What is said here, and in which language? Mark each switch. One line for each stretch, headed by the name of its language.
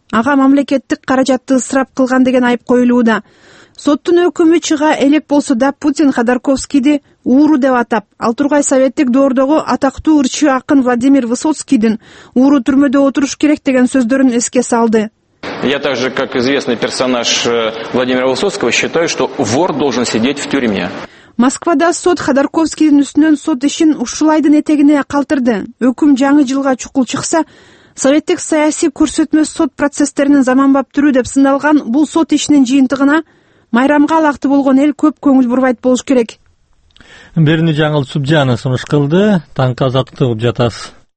Kyrgyz: Ага мамлекеттик каражатты ысырап кылган деген айып коюлууда. Соттун өкүмү чыга элек болсо да Путин Ходорковскийди ууру деп атап, ал тургай советтик доордогу атактуу ырчы акын Владимир Высоцкийдин ууру түрмөдө отуруш керек деген сөздөрүн эске салды.
Russian: Я также, как известный персонаж Владимира Высоцкого, считаю, что вор должен сидеть в тюрьме.
Kyrgyz: Москвада сот Ходорковскийдин үстүнөн сот ишин ушулайдын этегине калтырды. Өкүм жаңы жылга чукул чыкса, советтик саясий көрсөтмө сот процесстеринин заманбап түрү деп сындалган бул сот ишинин жыйынтыгына майрамга алакты болгон эл көп көңүл бурбайт болуш керек. Берни жаңыл субжаны сунуш кылды, таңкы азаттык деп жатасыз.